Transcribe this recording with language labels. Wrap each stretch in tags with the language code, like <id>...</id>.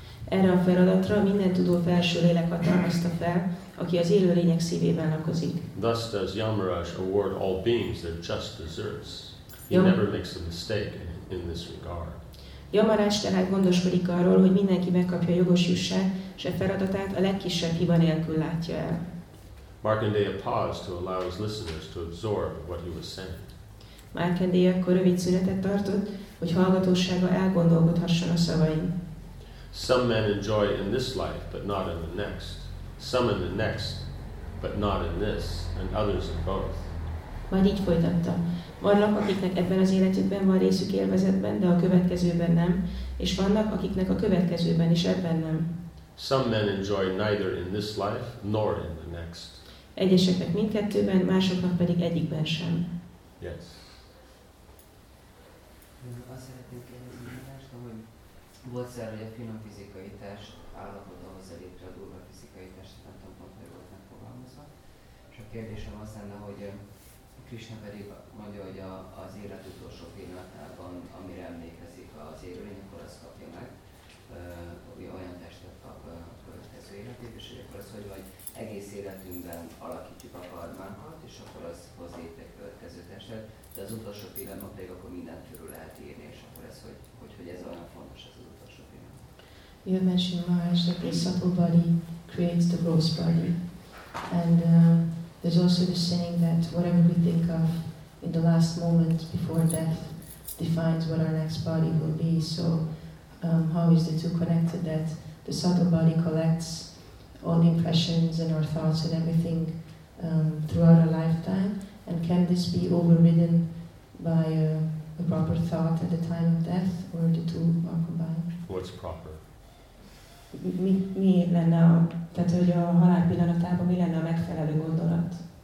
<hu>Erre a feladatra a mindentudó felső lélek hatalmazta fel, aki az élőlények szívében lakozik.</hu> <en>Thus does Yamaraj award all beings their just deserts. He never makes a mistake in this regard.</en> <hu>Yamaraj tehát gondoskodik arról, hogy mindenki megkapja jogos jussát, s a feladatát a legkisebb hiba nélkül látja el.</hu> <en>Markandeya paused to allow his listeners to absorb what he was saying.</en> <hu>Markandeya akkor rövid szünetet tartott, hogy hallgatósága elgondolkodhasson a szavain.</hu> <en>Some men enjoy in this life, but not in the next. Some in the next, but not in this, and others in both.</en> <hu>Majd így folytatta. Vannak, akiknek ebben az életükben van részük élvezetben, de a következőben nem, és vannak, akiknek a következőben is ebben nem.</hu> <en>Some men enjoy neither in this life nor in the next.</en> <hu>Egyeseknek mindkettőben, másoknak pedig egyikben sem.</hu> <en>Yes.</en> <hu>Azt szeretném kérdezni, hogy volt szerve, hogy a finom fizikai test állapot ahhoz elépte a durva fizikai test, nem tudom pont, hogy volt megfogalmazva. És a kérdésem az lenne, hogy Krishna pedig mondja, hogy az élet utolsó pillanatában, amire emlékezik az élőlény, akkor azt kapja meg, hogy olyan testet kap a következő életét, és akkor az, hogy vagy egész életünkben alakítjuk a karmánkat, és akkor az hoz létre a következő testet, de az utolsó pillanat pedig akkor mindentől lehet írni, és akkor ez, hogy ez olyan fontos ez az utolsó pillanat.</hu> <en>You mentioned Maharaj that the subtle body creates the gross body. And there's also the saying that whatever we think of in the last moment before death defines what our next body will be. So how is the two connected, that the subtle body collects all the impressions and our thoughts and everything throughout our lifetime, and can this be overridden by a proper thought at the time of death, or the two are combined? What's proper?</en> <hu>Mi lenne a, tehát hogy a halál pillanatában mi lenne a megfelelő gondolat?</hu>